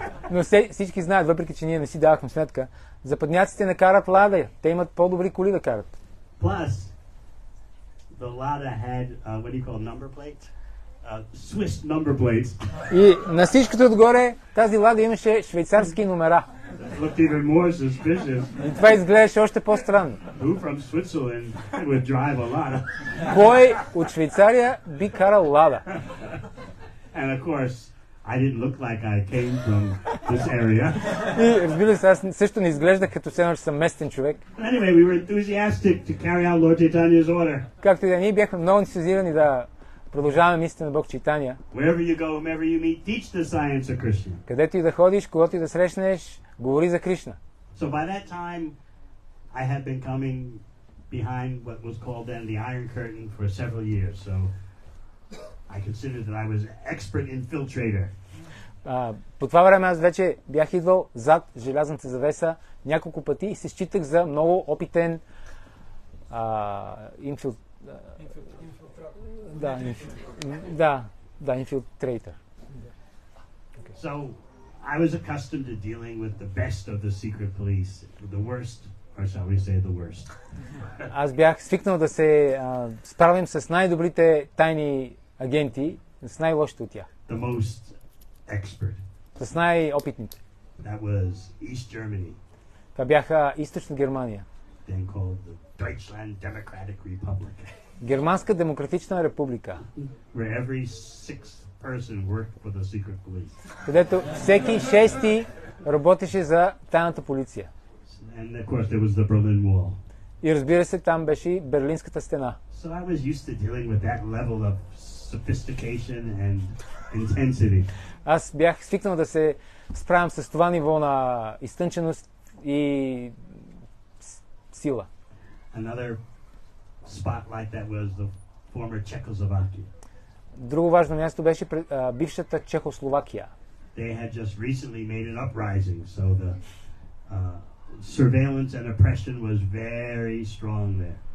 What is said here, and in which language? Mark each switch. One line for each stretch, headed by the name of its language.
Bulgarian: Но всички знаят, въпреки че ние не си давахме сметка, западняците не карат Лада, те имат по-добри коли да карат.
English: Plus, the Lada had what do you call number plate? Swiss number plates.
Bulgarian: И на всичкото отгоре тази Лада имаше швейцарски номера.
English: Looked even more suspicious.
Bulgarian: И това изглеждаше още по-странно.
English: Who from Switzerland would drive a Lada?
Bulgarian: Кой от Швейцария би карал Лада?
English: And of course, I didn't look like I came from this area.
Bulgarian: И разбира се, аз също не изглеждах като все едно, че съм местен човек.
English: Anyway, we were enthusiastic to carry out Lord Chaitanya's order.
Bulgarian: Както и да, ние бяхме много ентусиазирани да продължаваме мислите на Бог Чайтания.
English: Wherever you go, whomever you meet, teach the science of Krishna.
Bulgarian: Където и да ходиш, когато и да срещнеш, говори за Кришна.
English: So by that time, I had been coming behind what was called then the Iron Curtain for several years. So I considered that I was an expert infiltrator.
Bulgarian: По това време аз вече бях идвал зад желязната завеса няколко пъти и се считах за много опитен инфилтрейтър.
English: So I was accustomed to dealing with the best of the secret police, the worst, or shall we say the worst.
Bulgarian: Аз бях свикнал да се справим с най-добрите тайни агенти, с най-лошите от тях.
English: The most expert.
Bulgarian: С най-опитните.
English: That was East Germany.
Bulgarian: Това бяха Източна Германия.
English: Then called the Deutschland Democratic Republic.
Bulgarian: Германска демократична република.
English: Where every sixth person worked for the secret police.
Bulgarian: Където всеки шести работеше за тайната полиция.
English: And of course there was the Berlin Wall.
Bulgarian: И разбира се, там беше Берлинската стена.
English: So I was used to dealing with that level of sophistication and intensity.
Bulgarian: Аз бях свикнал да се справям с това ниво на изтънченост и сила.
English: Another spotlight that was the former Czechoslovakia.
Bulgarian: Друго важно място беше бившата Чехословакия.
English: They had just recently made an uprising, so the surveillance and oppression was very strong there.